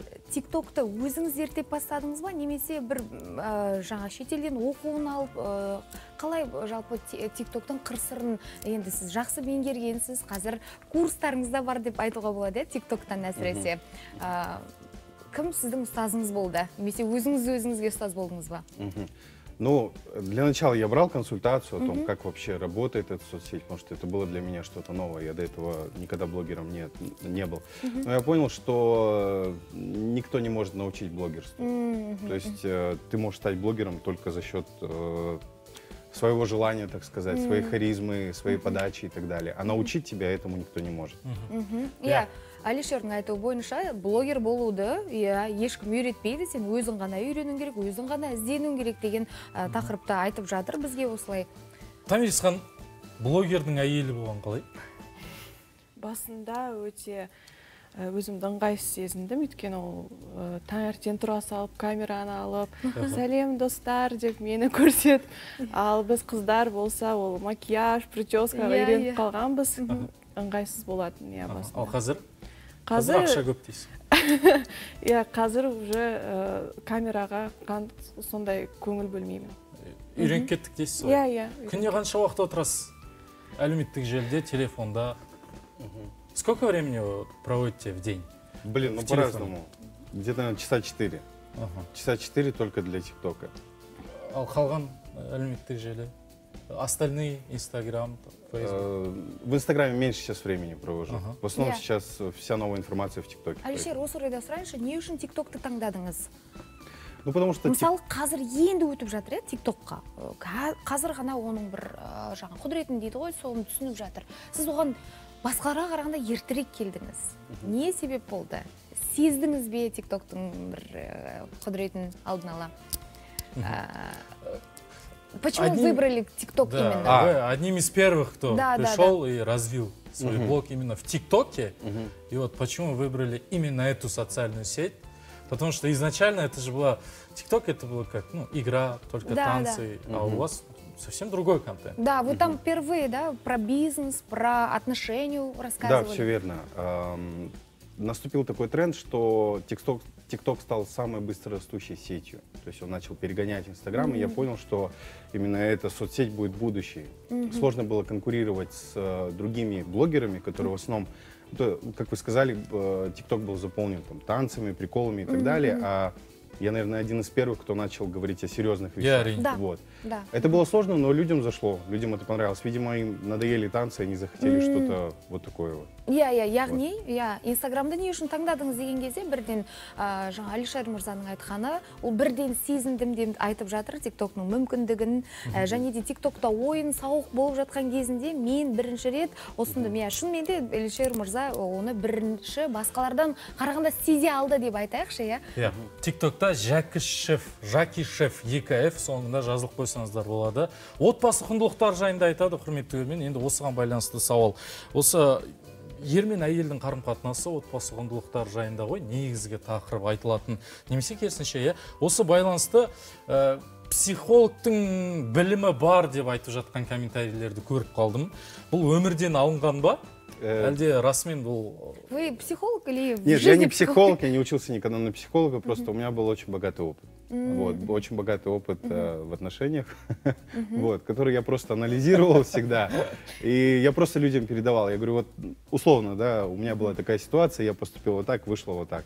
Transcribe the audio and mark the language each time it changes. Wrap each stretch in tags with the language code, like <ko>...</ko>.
<kk>TikTok-ты өзіңіз зерттеп бастадыңыз ба, немесе бір жаңа шетелден оқуын алып, қалай жалпы TikTok-тың қырсырын, енді сіз жақсы меңгергенсіз, қазір курстарыңызда бар деп айтуға болады, TikTok-тан әсіресе. Кім сіздің ұстазыңыз болды, немесе өзіңіз өзіңізге ұстаз болдыңыз ба?</kk> <ru>Ну, для начала я брал консультацию о том, как вообще работает эта соцсеть, потому что это было для меня что-то новое. Я до этого никогда блогером не был. Но я понял, что никто не может научить блогерству. То есть ты можешь стать блогером только за счет своего желания, так сказать, своей харизмы, своей подачи и так далее. А научить тебя этому никто не может.</ru> <kk>Әлішердің айтуы бойынша блогер болуды, ешкім үйретпейді, сен өзің ғана үйренің керек, өзің ғана ізденің керек деген тақырыпты айтып жатыр бізге осылай. Тамерис хан, блогердің әйелі болған қалай? Басында өте өзімді ыңғайсыз сезіндім, өйткені ол таңертең тұра салып, камераны алып, сәлем достар деп мені көрсет. Ал біз қыздар болса, ол макияж, прическаға үйреніп қалғанбыз, ыңғайсыз болатын. Ал қазір? Қазір ақша көп дейсің. Қазір уже камераға қан сондай көңіл бөлмеймін. Үйреніп кеттік дейсіз ғой? Иә. Күнде қанша уақыт отырасыз? Әлеуметтік желіде, телефонда.</kk> <ru>Сколько времени проводите в день? Блин, ну по-разному. Где-то часа 4. Часа 4 только для TikTok.</ru> <kk>Ал қалған әлеуметтік желі?</kk> <ru>Остальные Instagram, Facebook. В Инстаграме меньше сейчас времени провожу. В основном сейчас вся новая информация в ТикТоке.</ru> <kk>Алишер, осырайдас раньше, не үшін ТикТок-ты таңдадыңыз?</kk> <ru>Ну, потому что...</ru> <kk>Мысал, қазір енді өтіп жатыр, ТикТок-қа. Қазір ғана оның бір жаңа құдыретін дейді ғой, соғын түсініп жатыр. Сіз оған басқалара қарағанда ертерек келдіңіз. Не себеп болды? Сездіңіз бе ТикТок-тың</kk> <ru>Почему выбрали ТикТок именно? Вы одним из первых, кто пришел и развил свой блог именно в ТикТоке. И вот почему выбрали именно эту социальную сеть? Потому что изначально это же была... ТикТок это была как игра, только танцы. А у вас совсем другой контент. Да, вы там впервые про бизнес, про отношения рассказывали. Да, все верно. Наступил такой тренд, что ТикТок стал самой быстро растущей сетью. То есть он начал перегонять Инстаграм, и я понял, что именно эта соцсеть будет будущей. Сложно было конкурировать с другими блогерами, которые в основном, как вы сказали, ТикТок был заполнен там, танцами, приколами и так далее. А я, наверное, один из первых, кто начал говорить о серьезных вещах. Это было сложно, но людям зашло, людям это понравилось. Видимо, им надоели танцы, они захотели что-то вот такое вот.</ru> <kk>Яғни, Инстаграмды не үшін таңдадыңыз деген кезде, бірден жаңа Әлішер Мұрзаның айтқаны, ол бірден сезіндім деп айтып жатыр ТикТоктың мүмкіндігін, және де ТикТокта ойын сауық болып жатқан кезінде мен бірінші рет осынды. Шынмен де Әлішер Мұрза оны бірінші басқалардан қарағанда сезе алды деп айтайықшы. ТикТокта Жәкішев, Жәкішев 2F соңында жазылып қойсаңыздар болады. Отбасы құндылықтар жайында айтады құрметті көрермен. Енді осыған байланысты сауал. Осы ер мен әйелдің қарым-қатынасы отбасы құндылықтар жайында ғой, негізгі тақырып айтылатын. Немесе керісінше, осы байланысты психологтың білімі бар деп айтып жатқан комментарийлерді көріп қалдым. Бұл өмірден алынған ба? Әлде расымен бұл...</kk> <ru>Вы психолог или... Нет, я не психолог, я не учился никогда на психолога, просто у меня был очень богатый опыт. Вот, очень богатый опыт в отношениях, вот, который я просто анализировал всегда. И я просто людям передавал. Я говорю, вот условно, да, у меня была такая ситуация, я поступил вот так, вышло вот так.</ru>